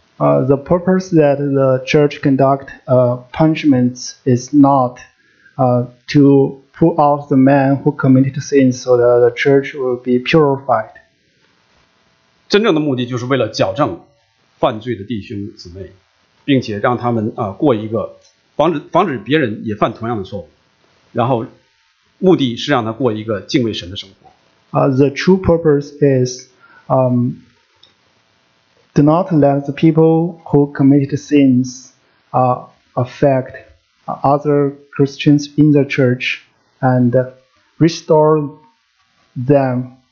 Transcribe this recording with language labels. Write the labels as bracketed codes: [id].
[en] The purpose that the church conduct punishments is not to pull out the man who committed sins so that the church will be purified. [zh] 真正的目的就是为了矫正犯罪的弟兄姊妹，并且让他们过一个防止别人也犯同样的错误，然后目的是让他过一个敬畏神的生活。 [en] The true purpose is do not let the people who committed sins affect other Christians in the church and restore them